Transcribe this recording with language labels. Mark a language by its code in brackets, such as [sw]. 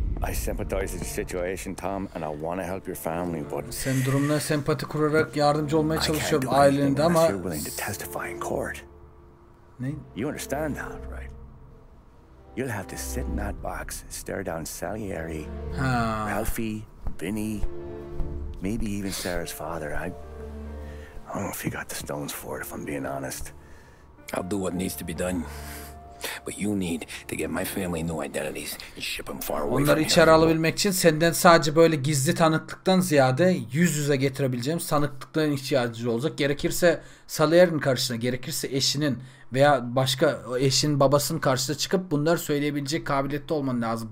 [en] I sympathize with the situation, Tom, and I want to help your family, but [tr] sen durumuna sempati kurarak yardımcı olmaya çalışıyorum ailende ama [en] you're willing to testify in court. [tr] Ne? [en] You understand that, right? You'll have to sit in that box, stare down Salieri, Ralphie, Vinny, maybe even Sarah's father. I don't know if you got the stones for it, if I'm being honest. I'll do what needs to be done. But you need to get my family new identities and ship them far away. [tr] Onları içeri alabilmek için senden sadece böyle gizli tanıklıktan ziyade yüz yüze getirebileceğim sanıklıkların ihtiyacı olacak. Gerekirse Salier'in karşısına, gerekirse eşinin veya başka eşin babasının karşısına çıkıp bunlar söyleyebilecek kabiliyette olman lazım.